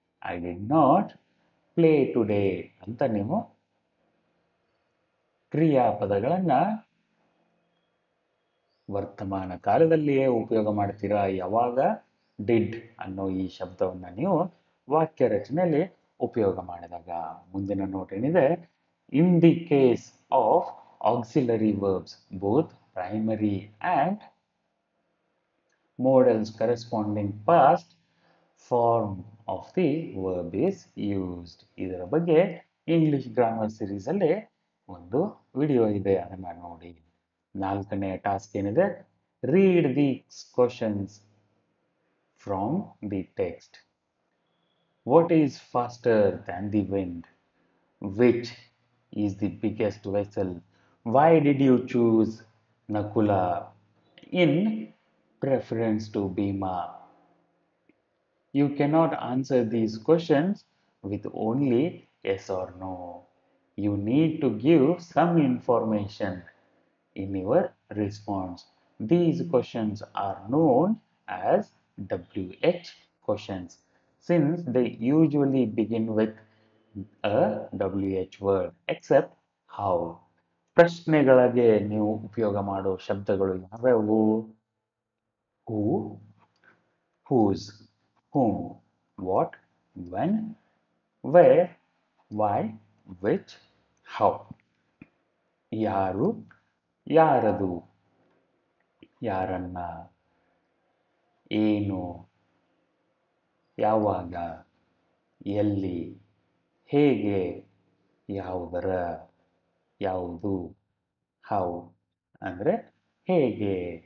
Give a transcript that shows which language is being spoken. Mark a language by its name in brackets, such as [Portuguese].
[English] I did not play today [Kannada] ಅಂತ ನೀವು ಕ್ರಿಯಾಪದಗಳನ್ನು ವರ್ತಮಾನ ಕಾಲದಲ್ಲಿಯೇ ಉಪಯೋಗ ಮಾಡ್ತೀರಾ. ಯಾವಾಗ ಡಿಡ್ ಅನ್ನೋ ಈ ಶಬ್ದವನ್ನು ನೀವು ವಾಕ್ಯ ರಚನೆಯಲ್ಲಿ ಉಪಯೋಗ ಮಾಡಿದಾಗ. ಮುಂದಿನ ನೋಟ್ ಏನಿದೆ, [English] In the case of auxiliary verbs, both primary and modals corresponding past form of the verb is used. [Kannada] ಇದರ ಬಗ್ಗೆ ಇಂಗ್ಲಿಷ್ ಗ್ರಾಮರ್ ಸೀರೀಸಲ್ಲಿ ಒಂದು ವಿಡಿಯೋ ಇದೆ, ಅದನ್ನು ನೋಡಿ. ನಾಲ್ಕನೇ ಟಾಸ್ಕ್ ಏನಿದೆ, [English] Read the questions from the text. What is faster than the wind? Which is the biggest vessel? Why did you choose Nakula in preference to Bhima? You cannot answer these questions with only yes or no. You need to give some information in your response. These questions are known as WH questions since they usually begin with a WH word, except how. [Kannada] ಪ್ರಶ್ನೆಗಳಿಗೆ ನೀವು ಉಪಯೋಗ ಮಾಡೋ ಶಬ್ದಗಳು ಯಾವ್ಯಾವು? [English] Who, whose, whom, what, when, where, why, which, how. [Kannada] ಯಾರು, ಯಾರದು, ಯಾರನ್ನ, ಏನು, ಯಾವಾಗ, ಎಲ್ಲಿ, ಹೇಗೆ, ಯಾವುದರ, ಯಾವುದು, ಹೌ ಅಂದರೆ ಹೇಗೆ.